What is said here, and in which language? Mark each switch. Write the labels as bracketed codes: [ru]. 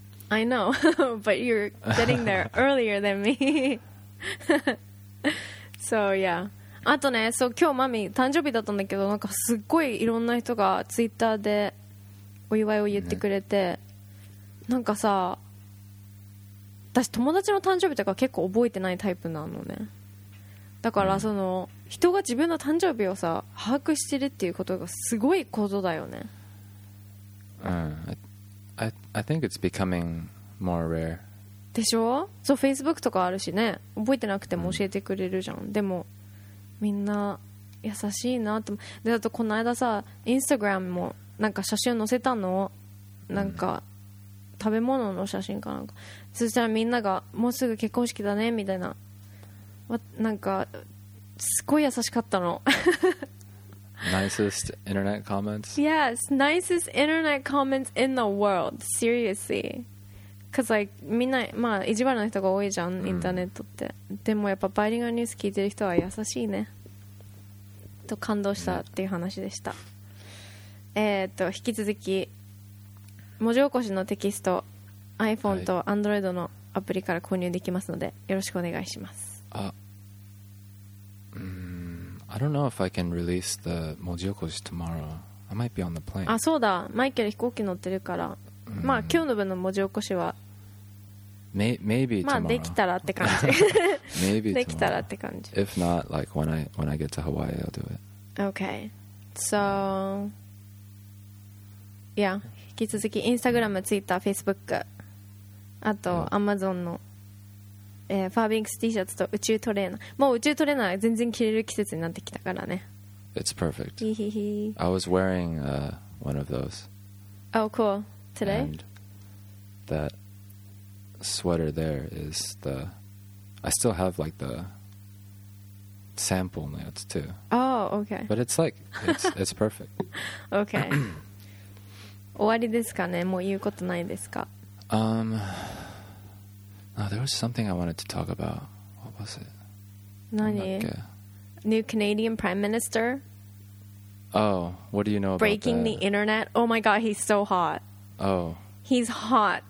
[en] I know, but you're getting there earlier than me. So yeah. [ja] あとね、そう、今日マミ誕生日だったんだけど、なんかすっごいいろんな人がツイッターで。お祝いを言ってくれて、ね、なんかさ、私友達の誕生日とか結構覚えてないタイプなのね、だからその、うん、人が自分の誕生日をさ把握してるっていうことがすごいことだよね。 [en] うん、I think it's becoming more rare [ja] でしょ。そう、 Facebook とかあるしね、覚えてなくても教えてくれるじゃん、うん、でもみんな優しいなって。で、あとこの間さ、 Instagram もなんか写真載せたの、なんか食べ物の写真かなんか、そしたらみんながもうすぐ結婚式だねみたいな、なんかすごい優しかったの。 [en] Nicest internet comments? Yes, nicest internet comments in the world, seriously. Cause like [ja] みんな、まあ意地悪な人が多いじゃん、インターネットって、うん、でもやっぱバイリンガルニュース聞いてる人は優しいねと感動したっていう話でした。引き続き文字起こしのテキスト、 iPhone と Android のアプリから購入できますので、はい、よろしくお願いします。 [en] あ、I don't know if I can release the 文字起こし tomorrow. I might be on the plane. [ja] あ、そうだ、マイケル飛行機乗ってるから、うん、まあ今日の分の文字起こしは [en] maybe tomorrow. [ja] まあできたらって感じ。 [en] maybe tomorrow. [ja] できたらって感じ。 [en] If not, like when I get to Hawaii, I'll do it. Okay. So... Yeah. [ja] 引き続きインスタグラム、ツイッター、フェイスブック、あとアマゾンの、ファービンクス T シャツと宇宙トレーナー、もう宇宙トレーナー全然着れる季節になってきたからね。 [en] It's perfect. I was wearing、one of those. Oh cool. Today? And that sweater there is the I still have like the sample notes too. Oh okay. But it's like it's perfect. Okay. [ja] 終わりですかね、もう言うことないですか。 [en] There was something I wanted to talk about. What was it? 何 New Canadian Prime Minister? Oh, what do you know about Breaking the internet? Oh my god, he's so hot. Oh. He's hot.